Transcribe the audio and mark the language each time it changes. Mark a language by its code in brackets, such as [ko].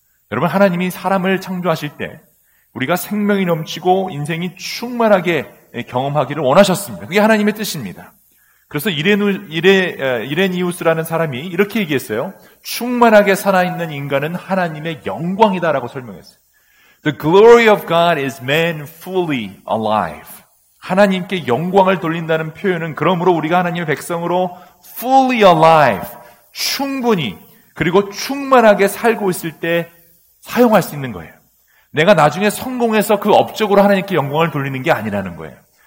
[ko] 여러분, 하나님이 사람을 창조하실 때 우리가 생명이 넘치고 인생이 충만하게 경험하기를 원하셨습니다. 그게 하나님의 뜻입니다. 그래서 이레니우스라는 사람이 이렇게 얘기했어요. 충만하게 살아있는 인간은 하나님의 영광이다라고 설명했어요. [en] The glory of God is man fully alive. [ko] 하나님께 영광을 돌린다는 표현은 그러므로 우리가 하나님의 백성으로 [en] fully alive, [ko] 충분히 그리고 충만하게 살고 있을 때 사용할 수 있는 거예요. 내가 나중에 성공해서 그 업적으로 하나님께 영광을 돌리는 게 아니라는 거예요.